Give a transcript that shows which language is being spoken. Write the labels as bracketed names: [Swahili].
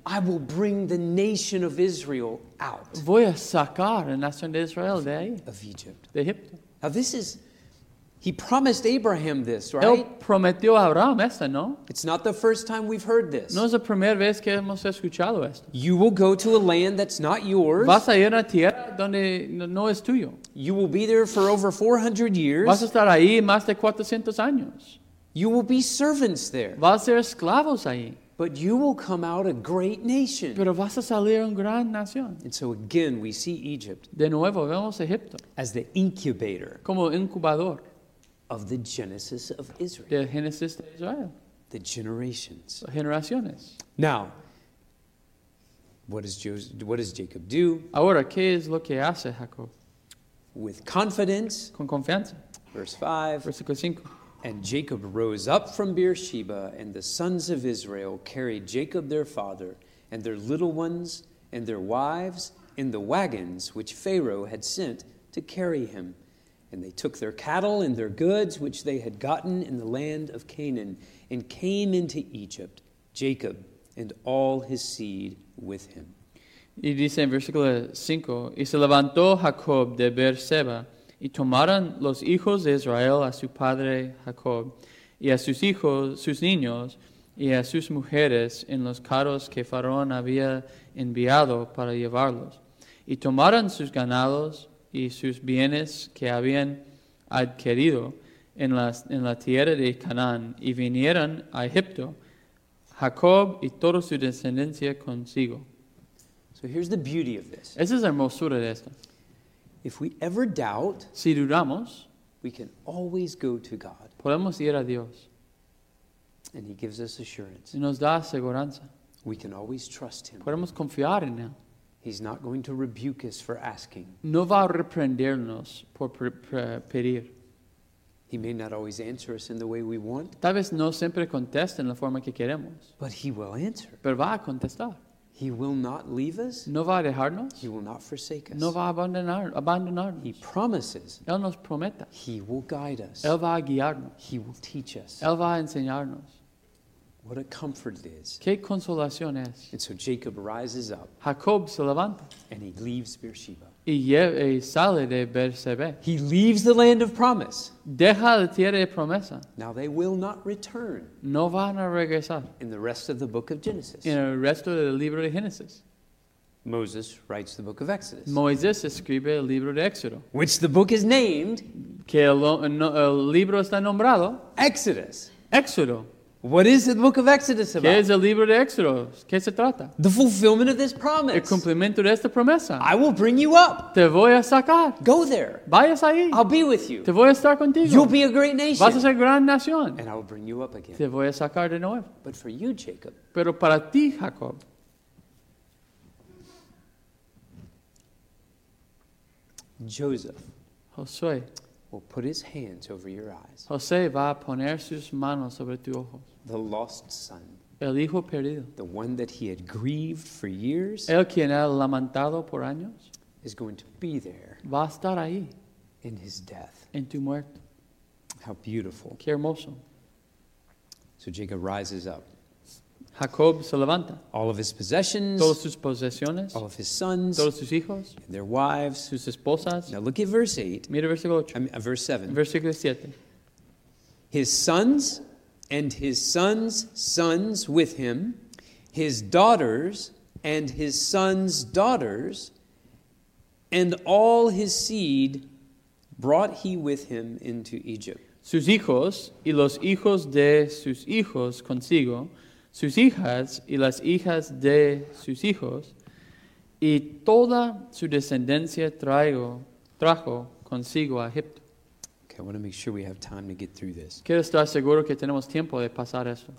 [English] I will bring the nation of Israel out. [Spanish] Voy a sacar la nación de Israel de ahí. [English] Of Egypt. [Spanish] De Egipto. [English] Now this is, He promised Abraham this, right? [Spanish] Él prometió a Abraham esto, ¿no? [English] It's not the first time we've heard this. [Spanish] No es la primera vez que hemos escuchado esto. [English] You will go to a land that's not yours. [Spanish] Vas a ir a una tierra donde no es tuyo. [English] You will be there for over 400 years. [Spanish] Vas a estar ahí más de 400 años. [English] You will be servants there. [Spanish] Vas a ser esclavos ahí. [English] But you will come out a great nation. [Spanish] Pero vas a salir una gran nación. [English] And so again, we see Egypt. [Spanish] De nuevo vemos Egipto. [English] As the incubator. [Spanish] Como incubador. [English] Of the Genesis of Israel. [Spanish] De Génesis de Israel. [English] The generations. [Spanish] Generaciones. [English] Now, what does Jacob do? [Spanish] Ahora, ¿qué es lo que hace Jacob? [English] With confidence. [Spanish] Con confianza. [English] Verse 5. [Spanish] Versículo 5. [English] And Jacob rose up from Beersheba, and the sons of Israel carried Jacob their father, and their little ones, and their wives, in the wagons which Pharaoh had sent to carry him. And they took their cattle and their goods, which they had gotten in the land of Canaan, and came into Egypt, Jacob and all his seed with him. [Spanish] Y dice en versículo 5, y se levantó Jacob de Beersheba, y tomaron los hijos de Israel a su padre Jacob, y a sus hijos, sus niños, y a sus mujeres, en los carros que Faraón había enviado para llevarlos. Y tomaron sus ganados y sus bienes que habían adquirido en la tierra de Canaán, y vinieron a Egipto, Jacob y toda su descendencia consigo. [English] So here's the beauty of this. [Spanish] Esa es la hermosura de esto. [English] If we ever doubt, [Spanish] si dudamos, [English] we can always go to God. [Spanish] Podemos ir a Dios. [English] And he gives us assurance. [Spanish] Y nos da aseguranza. [English] We can always trust him. [Spanish] Podemos confiar en él. [English] He's not going to rebuke us for asking. [Spanish] No va a reprendernos por pedir. [English] He may not always answer us in the way we want. [Spanish] Tal vez no siempre conteste en la forma que queremos. [English] But he will answer. [Spanish] Pero va a contestar. [English] He will not leave us. [Spanish] No va a dejarnos. [English] He will not forsake us. [Spanish] No va a abandonarnos. [English] He promises. [Spanish] Él nos promete. [English] He will guide us. [Spanish] Él va a guiarnos. [English] He will teach us. [Spanish] Él va a enseñarnos. [English] What a comfort it is. [Spanish] Qué consolación es. [English] And so Jacob rises up. [Spanish] Jacob se levanta. [English] And he leaves Beersheba. [Spanish] Y sale de Beersheba. [English] He leaves the land of promise. [Spanish] Deja la tierra de promesa. [English] Now they will not return. [Spanish] No van a regresar. [English] In the rest of the book of Genesis. [Spanish] En el resto del libro de Génesis. [English] Moses writes the book of Exodus. [Spanish] Moisés escribe el libro de Éxodo. [English] Which the book is named. [Spanish] Que el libro está nombrado. [English] Exodus. [Spanish] Éxodo. [English] What is the book of Exodus about? [Spanish] ¿Qué es el libro de Éxodo? ¿Qué se trata? [English] The fulfillment of this promise. [Spanish] El cumplimiento de esta promesa. [English] I will bring you up. [Spanish] Te voy a sacar. [English] Go there. [Spanish] Vayas ahí. [English] I'll be with you. [Spanish] Te voy a estar contigo. [English] You'll be a great nation. [Spanish] Vas a ser gran nación. [English] And I will bring you up again. [Spanish] Te voy a sacar de nuevo. [English] But for you, Jacob. [Spanish] Pero para ti, Jacob. [English] Joseph. [Spanish] Josué. [English] Will put his hands over your eyes. [Spanish] José va a poner sus manos sobre tus ojos. [English] The lost son. [Spanish] El hijo perdido. [English] The one that he had grieved for years. [Spanish] El quien ha lamentado por años. [English] Is going to be there. [Spanish] Va a estar ahí. [English] In his death. [Spanish] En tu muerte. [English] How beautiful. [Spanish] Qué hermoso. [English] So Jacob rises up. [Spanish] Jacob se levanta. [English] All of his possessions. [Spanish] Todas sus posesiones. [English] All of his sons. [Spanish] Todos sus hijos. [English] And their wives. [Spanish] Sus esposas. [English] Now look at verse 8. [Spanish] Mira versículo 8. [English] Verse 7. [Spanish] Versículo 7. [English] His sons and his sons' sons with him, his daughters and his sons' daughters, and all his seed brought he with him into Egypt. [Spanish] Sus hijos y los hijos de sus hijos consigo, sus hijas y las hijas de sus hijos, y toda su descendencia trajo consigo a Egipto. [English] Okay, I want to make sure we have time to get through this. [Spanish] Quiero estar seguro que tenemos tiempo de pasar esto.